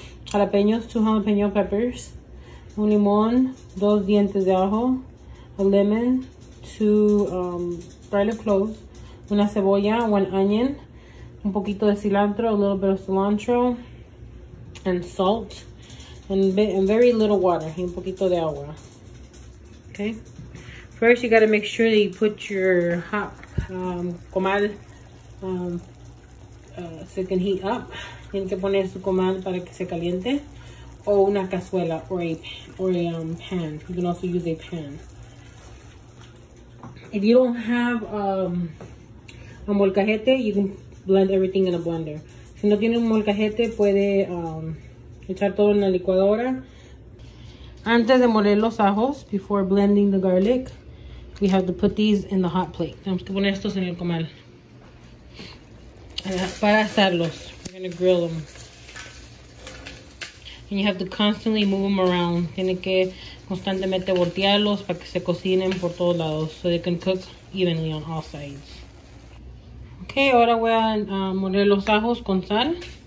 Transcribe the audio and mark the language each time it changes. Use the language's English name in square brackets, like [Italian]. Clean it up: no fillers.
[English] jalapeños, 2 jalapeño peppers, [Spanish] 1 limón, 2 dientes de ajo, [English] a lemon, 2 garlic cloves, [Spanish] una cebolla, [English] 1 onion, [Spanish] un poquito de cilantro, [English] a little bit of cilantro, and salt, and very little water, [Spanish] y un poquito de agua. [English] Okay. First, you got to make sure that you put your hot comal so it can heat up. [Spanish] Tienen que poner su comal para que se caliente, o una cazuela, [English] or a pan. You can also use a pan. If you don't have a molcajete, you can blend everything in a blender. [Spanish] Si no tiene un molcajete, puede echar todo en la licuadora. Antes de moler los ajos, [English] before blending the garlic, we have to put these in the hot plate. [Spanish] Tenemos que poner estos en el comal. Para asarlos, [English] we're going to grill them. And you have to constantly move them around. [Spanish] Tiene que constantemente voltearlos para que se cocinen por todos lados. [English] So they can cook evenly on all sides. [Spanish] Okay, ahora voy a moler los ajos con sal.